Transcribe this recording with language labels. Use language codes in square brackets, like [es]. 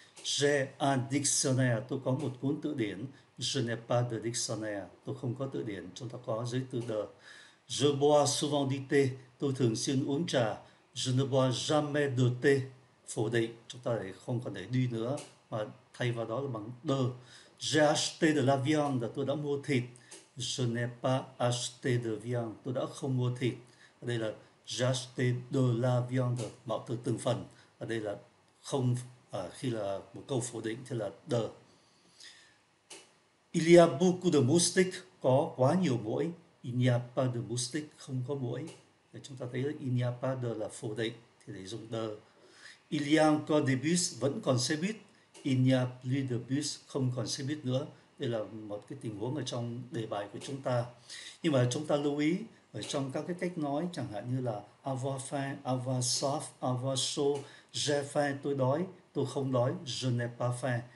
[fr] J'ai un dictionnaire, [vi] tôi có một cuốn từ điển. [fr] Je n'ai pas de dictionnaire, [vi] tôi không có từ điển. Chúng ta có giấy từ de. [fr] Je bois souvent du thé, [vi] tôi thường xuyên uống trà. [fr] Je ne bois jamais de thé, [vi] phủ định, chúng ta lại không còn để đi nữa, mà thay vào đó là bằng de. [fr] J'ai acheté de la viande, [vi] tôi đã mua thịt. [fr] Je n'ai pas acheté de viande, [vi] tôi đã không mua thịt. Ở đây là [fr] j'ai acheté de la viande, [vi] mạo từ từng phần. Ở đây là không, khi là một câu phủ định thì là de. [fr] Il y a beaucoup de moustiques, [vi] có quá nhiều muỗi. [fr] Il n'y a pas de moustiques, [vi] không có muỗi. Chúng ta thấy là [fr] il n'y a pas de [vi] là phủ định, thì để dùng de. [fr] Il y a encore des bus, [vi] vẫn còn xe buýt. [fr] Il n'y a plus de bus, [vi] không còn xe buýt nữa. Đây là một cái tình huống ở trong đề bài của chúng ta. Nhưng mà chúng ta lưu ý, ở trong các cái cách nói, chẳng hạn như là [fr] avoir faim, avoir soif, avoir chaud, j'ai faim, [vi] tôi đói, tôi không đói, [fr] je n'ai pas faim.